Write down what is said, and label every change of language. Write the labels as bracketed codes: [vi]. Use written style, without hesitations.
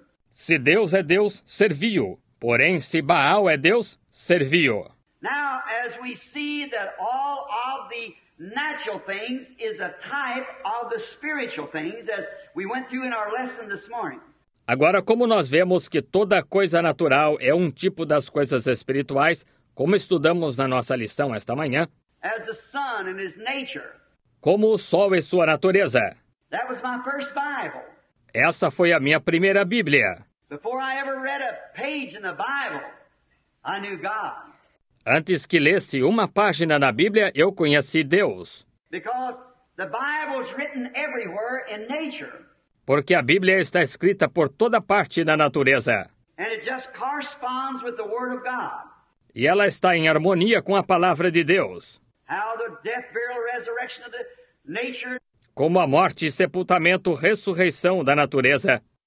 [pt] Se Deus é Deus, servi-o. Porém, se Baal é Deus, servi-o. [en] Now, as we see that all of the natural things is a type of the spiritual things, as we went through in our lesson this morning. [pt] Agora, como nós vemos que toda coisa natural é um tipo das coisas espirituais, como estudamos na nossa lição esta manhã, [en] as the sun and his nature. [pt] Como o sol e sua natureza. [en] That was my first Bible. [pt] Essa foi a minha primeira Bíblia. [en] Before I ever read a page in the Bible, I knew God. [pt] Antes que lesse uma página na Bíblia, eu conheci Deus. [en] Because the Bible is written everywhere in nature. [pt] Porque a Bíblia está escrita por toda parte na natureza. [en] And it just corresponds with the Word of God. [pt] E ela está em harmonia com a palavra de Deus. [en] How the death, burial, resurrection of the nature. [pt] como a morte, sepultamento, ressurreição da natureza.